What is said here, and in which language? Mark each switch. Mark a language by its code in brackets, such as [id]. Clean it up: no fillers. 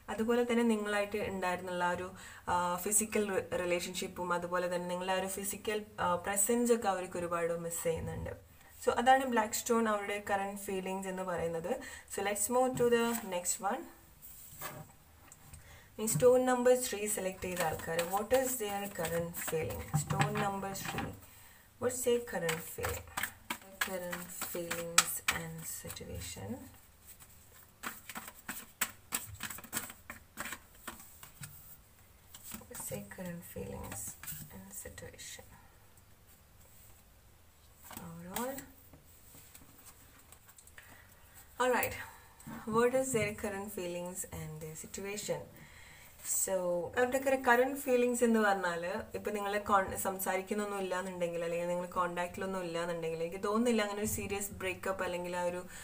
[ml] അതുപോലെ തന്നെ നിങ്ങളായിട്ട് ഉണ്ടായിരുന്ന ആ ഒരു ഫിസിക്കൽ റിലേഷൻഷിപ്പും, അതുപോലെ തന്നെ നിങ്ങളുടെ ആ ഒരു ഫിസിക്കൽ പ്രസൻസ് ഒക്കെ അവർക്ക് ഒരുപാട് മിസ് ചെയ്യുന്നുണ്ട്. സോ അതാണ് ബ്ലാക്ക് സ്റ്റോൺ അവരുടെ കറന്റ് ഫീലിംഗ്സ് എന്ന് പറയുന്നത്. [en] So let's move to the next one. ഈ stone number 3 [ml] സെലക്ട് ചെയ്ത ആൾക്കാർ, [en] What is their current feeling? Stone number 3, what's their current feeling, current feelings and situation? What's their current feelings and situation? All right, what is their current feelings and their situation? [ml] So അവരുടെ current feelings എന്ന് പറഞ്ഞാല്, ഇപ്പൊ നിങ്ങൾ സംസാരിക്കുന്നൊന്നും ഇല്ലാന്നുണ്ടെങ്കിൽ, അല്ലെങ്കിൽ നിങ്ങൾ കോണ്ടാക്ടിലൊന്നും ഇല്ലാന്നുണ്ടെങ്കിൽ, എനിക്ക് തോന്നുന്നില്ല അങ്ങനെ ഒരു സീരിയസ് ബ്രേക്കപ്പ് അല്ലെങ്കിൽ ആ ഒരു